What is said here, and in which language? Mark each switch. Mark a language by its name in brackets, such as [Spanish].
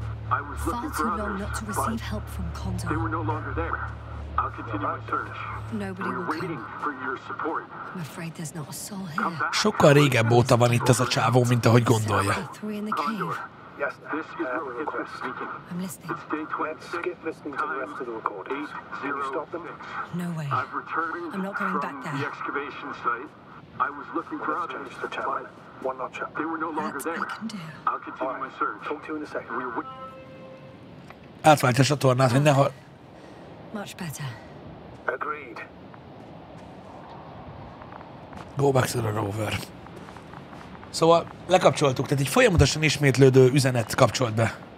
[English] I was far too long not to receive help from Condor. They were no longer there. I'll continue my search. Nobody will come. Waiting for your support. I'm afraid there's not a soul here. [Hungarian] Sokkal régebb óta van itt ez a csávó, mint ahogy gondolja. [English] Condor. Yes, this is your request. Speaking. I'm listening. It's day 26. Skip listening to the rest of the recordings. 806. Stop them. No way. I've returned. I'm not going back there. The excavation site. I was looking for others. The tower. One notch up. They were no longer there. I can do. I'll continue my search. Talk to you in a second. [Hungarian] Átváltja a tornát, hogy nehol... [English] Much better. Agreed. Go back to the rover. [Hungarian] Szóval lekapcsoltuk, tehát egy folyamatosan ismétlődő üzenet kapcsolt be.